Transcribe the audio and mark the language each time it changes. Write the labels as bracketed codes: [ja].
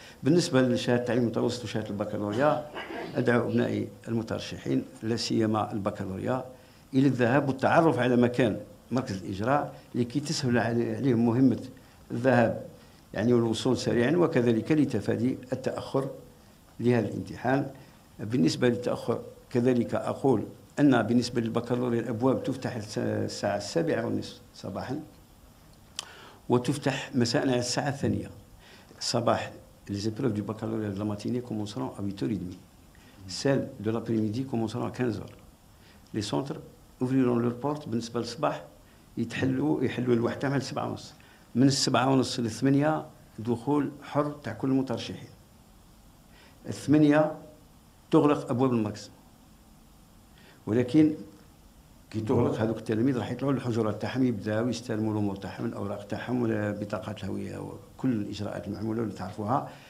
[ar] بالنسبة لشهادة التعليم المتوسط وشهادة البكالوريا، أدعو أبنائي المترشحين لا سيما البكالوريا إلى الذهاب والتعرف على مكان مركز الإجراء لكي تسهل عليهم مهمة الذهاب يعني والوصول سريعا، وكذلك لتفادي التأخر لهذا الامتحان. بالنسبة للتأخر كذلك أقول أن بالنسبة للبكالوريا الأبواب تفتح الساعة 7:30 صباحا وتفتح مساء على الساعة 2 صباحا. [fr] Les épreuves du baccalauréat de la matinée commenceront à 8h30. Celles de l'après-midi commenceront à 15h. Les centres ouvriront leurs portes, [ar] بالنسبة للصباح يحلوا الوحدة مع 7:30. من 7:30 ل 8 دخول حر تاع كل المترشحين. 8 تغلق أبواب المركز. ولكن كي تغلق هذوك التلاميذ راح يطلعوا للحجرات تاعهم يبداوا يستلموا الامور تاعهم الاوراق تاعهم بطاقات الهويه وكل الاجراءات المعموله اللي تعرفوها.